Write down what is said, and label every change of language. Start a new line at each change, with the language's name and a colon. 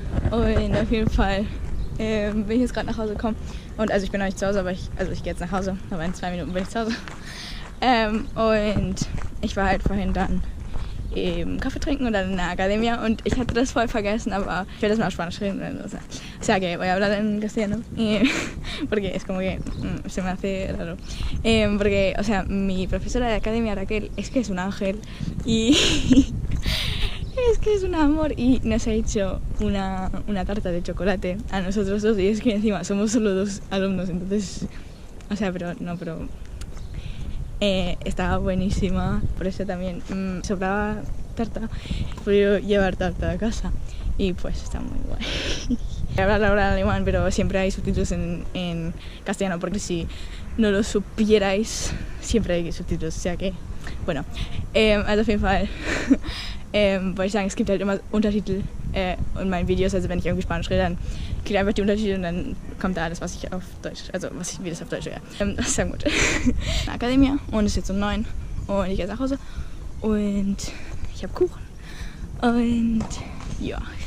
German: Und auf jeden Fall bin ich jetzt gerade nach Hause gekommen. Und also ich bin noch nicht zu Hause, aber ich gehe jetzt nach Hause. Aber in 2 Minuten bin ich zu Hause. Und ich war halt vorhin dann eben Kaffee trinken oder in der Academia und ich hatte das voll vergessen, aber ich werde das mal auf Spanisch reden.
Spanish: O sea que voy a hablar en castellano, porque es como que se me hace raro. Porque, o sea, mi profesora de Academia, Raquel, es que es un ángel y es que es un amor y nos ha hecho una tarta de chocolate a nosotros dos y es que encima somos solo 2 alumnos, entonces, o sea, pero... estaba buenísima, por eso también sobraba tarta, pude llevar tarta a casa y pues está muy guay. Hablar alemán, pero siempre hay subtítulos en castellano, porque si no lo supierais, siempre hay subtítulos, o sea que, bueno.
German: Auf jeden Fall, wollte ich sagen, es gibt halt immer Untertitel in meinen Videos, also wenn ich irgendwie Spanisch rede, dann kriege ich einfach die Untertitel und dann kommt da alles, was ich auf Deutsch, also was ich, wie das auf Deutsch wäre. Sehr gut. Akademie und es ist jetzt um 9 und ich gehe nach Hause und ich habe Kuchen und ja.